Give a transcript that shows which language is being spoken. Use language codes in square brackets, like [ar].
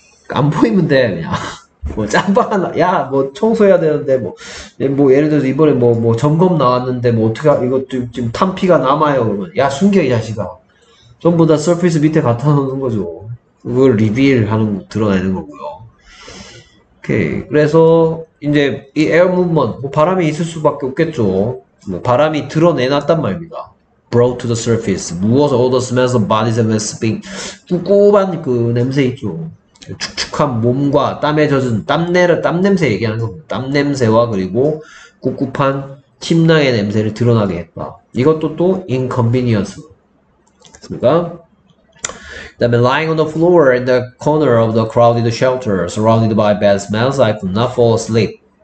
[ko] 안 보이면 돼 그냥. 뭐 짬밥 하나 야 뭐 청소해야 되는데 뭐 예를 들어서 이번에 뭐 점검 나왔는데 뭐 어떻게 이거 지금 탄피가 남아요 그러면 야 숨겨 이 자식아. 전부 다 서피스 밑에 갖다 놓는 거죠. 그걸 리빌 하는 드러내는 거고요. 오케이. 그래서 이제 이 에어 무브먼트 뭐 바람이 있을 수밖에 없겠죠. 바람이 드러내놨단 말입니다. [en] Brought to the surface. 무어서 all the smells of bodies and sleeping. [ko] 꿉꿉한 그 냄새 있죠. 축축한 몸과 땀에 젖은 땀냄새 얘기하는 겁니다. 땀냄새와 그리고 꿉꿉한 침낭의 냄새를 드러나게 했다. 이것도 또 inconvenience. 됐습니까? 그 다음에 [en] lying on the floor in the corner of the crowded shelter surrounded by bad smells, I could not fall asleep.